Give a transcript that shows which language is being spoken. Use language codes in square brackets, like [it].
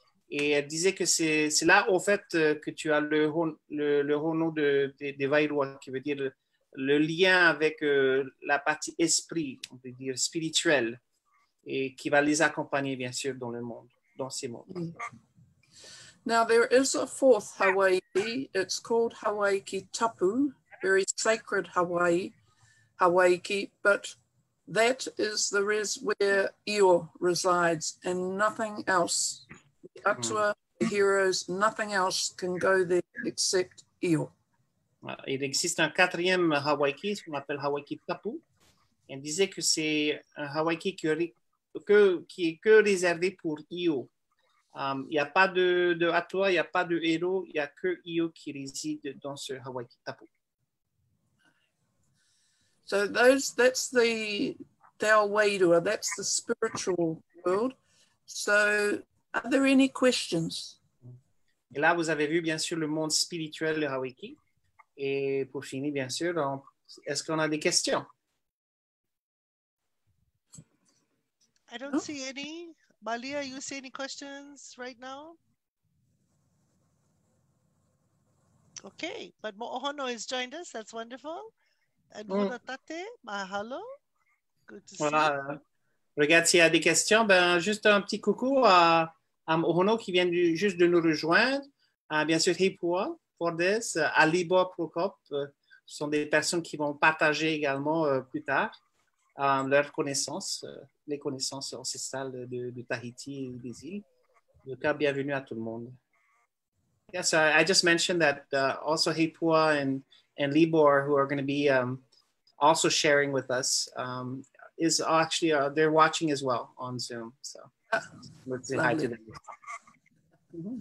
[fr] Et elle disait que c'est là, au fait, que tu as le hono de Vairua, qui veut dire le lien avec la partie esprit, on peut dire spirituelle, et qui va les accompagner, bien sûr, dans le monde, dans ces mondes. Mm. [en] Now, there is a fourth Hawaii. It's called Hawaiki Tapu, very sacred Hawaii, Hawaiki, but that is the res where Io resides and nothing else. The Atua, the heroes, nothing else can go there except Io. [fr] Il existe un quatrième Hawaiki, ce qu'on appelle Hawaiki Tapu. Il disait que c'est un Hawaiki qui est que réservé pour Io. Il n'y a pas de Atua, il n'y a pas de héros, il n'y a que Io qui réside dans ce Hawaiki Tapu. [en] So that's the Te Awairua, that's the spiritual world. So are there any questions? [fr] Et là, vous avez vu bien sûr le monde spirituel, le Hawaiki. Et pour finir, bien sûr, est-ce qu'on a des questions? [en] I don't see any. Malia, you see any questions right now? Okay, but Mo'ohono has joined us. That's wonderful. And Mona Tate, mahalo. Good to see you. [fr] Regarde, s'il y a des questions, ben juste un petit coucou à Mo'ohono qui vient juste de nous rejoindre. Bien sûr, Hipua, Fordes, Alibo, Prokop, sont des personnes qui vont partager également plus tard leurs connaissances. Les connaissances ancestrales de Tahiti et des îles. Donc, bienvenue à tout le monde. [en] Yes, I just mentioned that also Heipua and Libor, who are going to be also sharing with us, is actually they're watching as well on Zoom. So let's say hi to them. Mm-hmm.